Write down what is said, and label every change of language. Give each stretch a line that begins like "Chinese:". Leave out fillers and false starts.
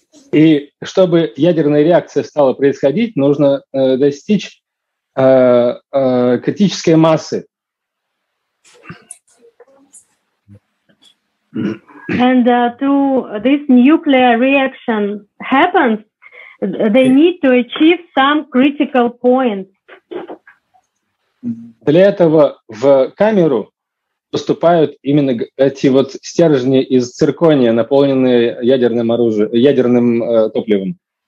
Russian: И чтобы ядерная реакция стала происходить, нужно достичь критической массы.
English: And to this nuclear reaction happens, they need to achieve some critical point.
Russian: Для этого в камеру поступают именно эти вот стержни из циркония, наполненные ядерным оружием, ядерным топливом.